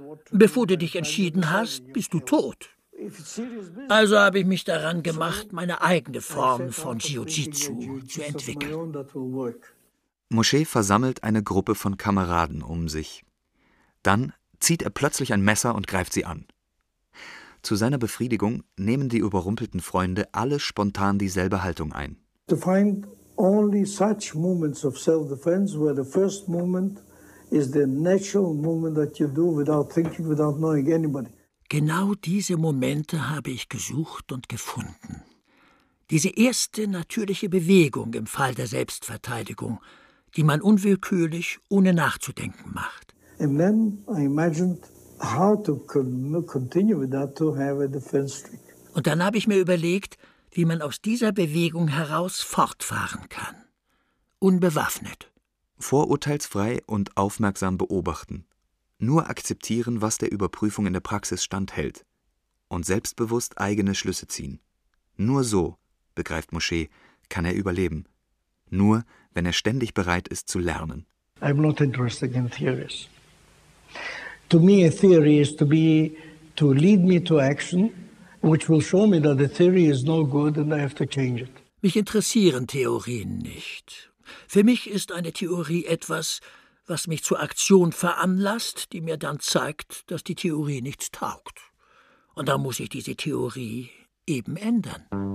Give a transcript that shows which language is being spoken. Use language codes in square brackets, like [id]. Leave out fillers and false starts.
[de] Bevor du dich entschieden hast, bist du tot. Also habe ich mich daran gemacht, meine eigene Form von Jiu-Jitsu zu entwickeln. Moshe versammelt eine Gruppe von Kameraden um sich. Dann zieht er plötzlich ein Messer und greift sie an. Zu seiner Befriedigung nehmen die überrumpelten Freunde alle spontan dieselbe Haltung ein. [en] To find only such moments of self-defense where the first moment is the natural moment that you do without thinking, without knowing anybody. [de] Genau diese Momente habe ich gesucht und gefunden. Diese erste natürliche Bewegung im Fall der Selbstverteidigung, die man unwillkürlich, ohne nachzudenken macht. [en] And then I imagined how to continue with that, to have a defense streak. [de] Und dann habe ich mir überlegt, wie man aus dieser Bewegung heraus fortfahren kann. Unbewaffnet. Vorurteilsfrei und aufmerksam beobachten. Nur akzeptieren, was der Überprüfung in der Praxis standhält. Und selbstbewusst eigene Schlüsse ziehen. Nur so, begreift Moshe, kann er überleben. Nur, wenn er ständig bereit ist zu lernen. [en] I'm not interested in theories. To me, a theory is to lead me to action, which will show me that the theory is no good and I have to change it. [de] Mich interessieren Theorien nicht. Für mich ist eine Theorie etwas, was mich zur Aktion veranlasst, die mir dann zeigt, dass die Theorie nichts taugt. Und dann muss ich diese Theorie eben ändern.